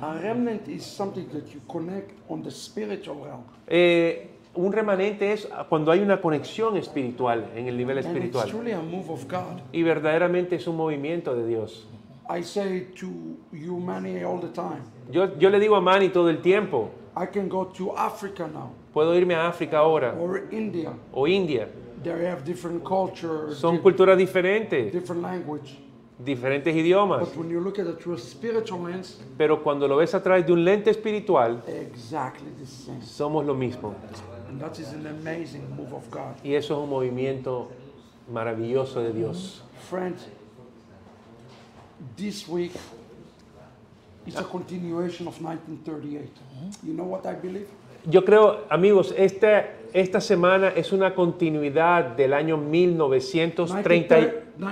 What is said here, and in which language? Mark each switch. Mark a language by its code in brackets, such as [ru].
[en] A remnant is something that you connect on the spiritual realm. [es] Un remanente es cuando hay una conexión espiritual en el nivel espiritual. [en] And it's truly a move of God. [es] Y verdaderamente es un movimiento de Dios. [en] I say to you, Manny, all the time. [es] Yo le digo a Manny todo el tiempo. [en] I can go to Africa now. [es] Puedo irme a África ahora. [en] Or India. [es] O India. [en] They have different culture. [es] Son culturas diferentes. [en] Different language. [es] Diferentes idiomas. [en] But when you look at it through a spiritual lens, [es] pero cuando lo ves a través de un lente espiritual, [en] exactly the same. [es] Somos lo mismo. [en] And that is an amazing move of God. [es] Y eso es un movimiento maravilloso de Dios. [en] Friends, this week It's a continuation of 1938. You know what I believe? [es] Yo creo, amigos, esta semana es una continuidad del año 1938.